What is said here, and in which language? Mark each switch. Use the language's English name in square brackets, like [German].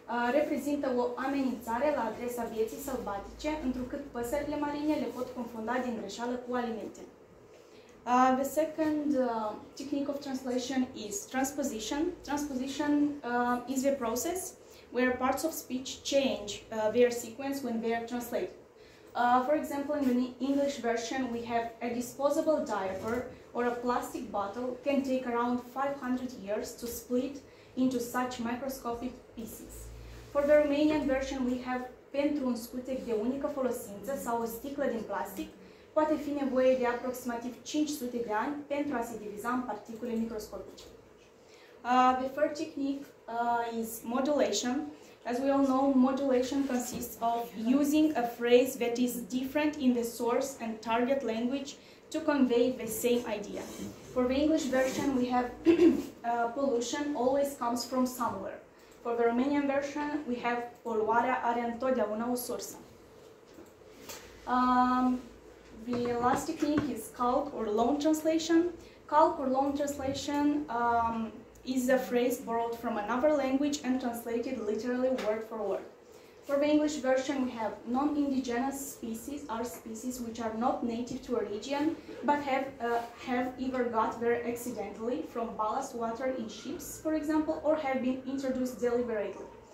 [Romanian] Reprezintă o amenințare la adresa vieții sălbatice, întrucât păsările marine le pot confunda din greșeală cu alimente. [English] The second technique of translation is transposition. Transposition is the process where parts of speech change their sequence when they are translated. For example, in the English version, we have a disposable diaper or a plastic bottle can take around 500 years to split into such microscopic pieces. For the Romanian version, we have [Romanian] pentru un scutec de unică folosință sau o sticlă din plastic poate fi nevoie de aproximativ 500 de ani pentru a se diviza în particule microscopice. [English] The third technique is modulation. As we all know, modulation consists of using a phrase that is different in the source and target language to convey the same idea. For the English version, we have pollution always comes from somewhere. For the Romanian version, we have [Romanian] poluarea are întotdeauna o sursă. [English] The last technique is calc or loan translation. Calc or loan translation is a phrase borrowed from another language and translated literally word for word. For the English version, we have non-indigenous species are species which are not native to a region, but have either got there accidentally from ballast water in ships, for example, or have been introduced deliberately.